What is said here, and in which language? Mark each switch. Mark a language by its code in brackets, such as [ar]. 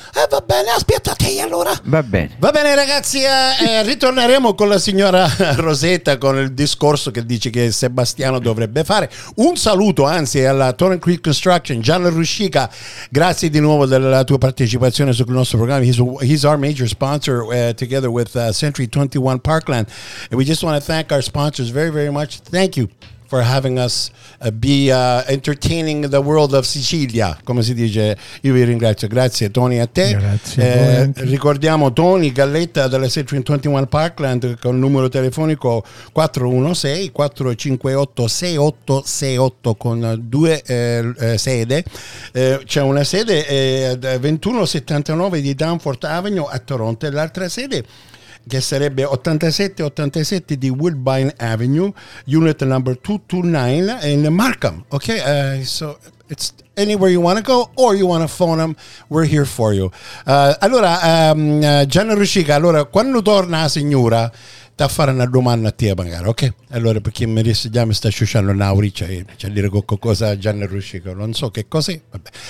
[it] Va bene, aspettate. allora. Va bene. Va bene, ragazzi, ritorneremo con la signora Rosetta con il discorso che dice che Sebastiano dovrebbe fare. Un saluto, anzi, alla Torrent Creek Construction, Gianni Ruscica. Grazie di nuovo della tua partecipazione sul nostro programma. [en] He's our major sponsor together with Century 21 Parkland. And we just want to thank our sponsors very, very much. Thank you for having us be entaining the world of Sicilia, [it] come si dice. Io vi ringrazio, grazie Tony, a te, grazie. Ricordiamo Tony Galletta della Century 21 Parkland con numero telefonico 416 458 6868, con due sede. C'è una sede 2179 di Danforth Avenue a Toronto, e l'altra sede che sarebbe 8787 di Woodbine Avenue, unit number 229 in Markham. [en] Okay, so it's anywhere you want to go or you want to phone them, we're here for you. [it] Gianna Ruscica, allora, quando torna la signora, da fare una domanda a te magari, ok? Allora, perché mi riesce già, mi sta sciucciando Nauricia, c'è a dire qualcosa a Gianna Ruscica, non so che cos'è, vabbè.